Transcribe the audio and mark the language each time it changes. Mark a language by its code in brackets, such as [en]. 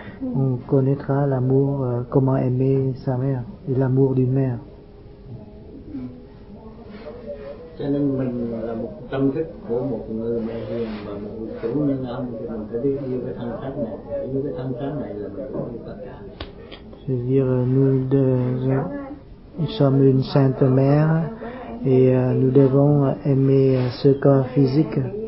[fr] on connaîtra l'amour, comment aimer sa mère et l'amour d'une mère. [vi] Cho nên mình là một tâm thức của một người mẹ hiền và một người chủ nhân ông, thì mình phải biết yêu cái thân xác này, yêu cái thân xác này là mình cũng yêu tất cả. [fr] C'est-à-dire, nous, nous sommes une sainte mère et nous devons aimer ce corps physique.